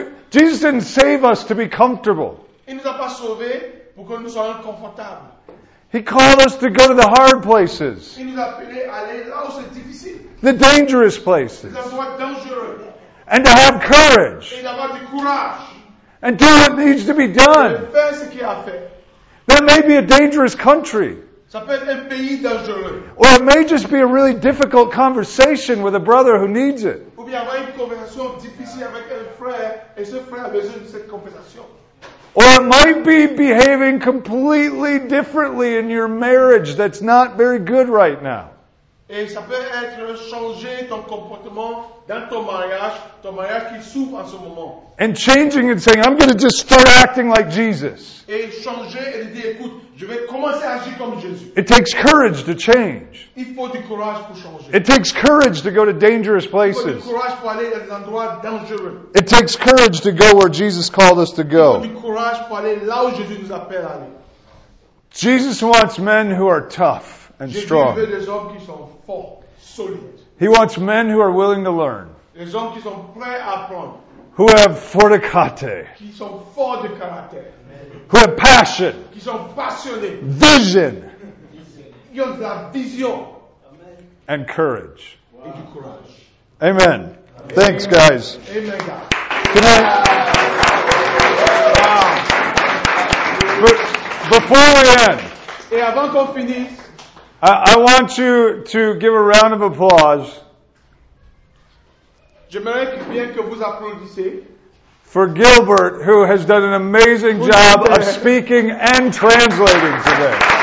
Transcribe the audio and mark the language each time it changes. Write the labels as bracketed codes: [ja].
[en] Jesus didn't save us to be comfortable. [fr] Il nous a pas sauvés pour que nous soyons confortables. [en] He called us to go to the hard places. [fr] Il nous a appelés à aller là où c'est difficile. [en] The dangerous places. [fr] Les endroits dangereux. [en] And to have courage. [fr] Et d'avoir du courage. [en] And do what needs to be done. [fr] Et faire ce qu'il a fait. [en] That may be a dangerous country. [fr] Ça peut être un pays dangereux. [en] Or it may just be a really difficult conversation with a brother who needs it. [fr] Ou bien avoir une conversation difficile avec un frère et ce frère a besoin de cette conversation. [en] Or it might be behaving completely differently in your marriage that's not very good right now. [fr] Et ça peut être changer ton comportement dans ton mariage qui souffre en ce moment. [en] And changing and saying, I'm going to just start acting like Jesus. [fr] Et changer et dire, écoute, je vais commencer à agir comme Jésus. [en] It takes courage to change. [fr] Il faut du courage pour changer. [en] It takes courage to go to dangerous places. [fr] Il faut du courage pour aller dans des endroits dangereux. [en] It takes courage to go where Jesus called us to go. [fr] Il faut du courage pour aller là où Jésus nous appelle à aller. [en] Jesus wants men who are tough. And [fr] Jésus [en] strong. [fr] Veut des hommes qui sont forts, solides. [en] He wants men who are willing to learn. [fr] Des hommes qui sont prêts à apprendre. [en] Who have fortitude. [fr] Qui sont forts de caractère. [en] Who have passion. [fr] Qui sont passionnés. [en] Vision. [fr] Ils ont de la vision. [en] And courage. [fr] Wow. Et du courage. [en] Amen. Thanks, guys. Amen, God. Can I? Wow. Before we end, [fr] et avant qu'on finisse, [en] I want you to give a round of applause. [fr] J'aimerais bien que vous applaudissiez. [en] For Gilbert, who has done an amazing job of speaking and translating today.